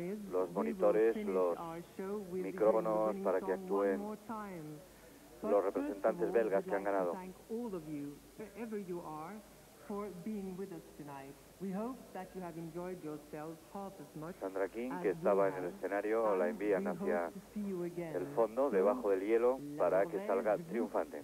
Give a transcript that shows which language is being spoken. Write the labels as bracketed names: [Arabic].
[Spanish] Los monitores, los micrófonos para que actúen los representantes belgas que han ganado. [English] Wherever you are, for being with us tonight. We hope that you have enjoyed yourselves half as much. [Spanish] Sandra King, que estaba en el escenario, la envían hacia el fondo, debajo del hielo, para que salga triunfante.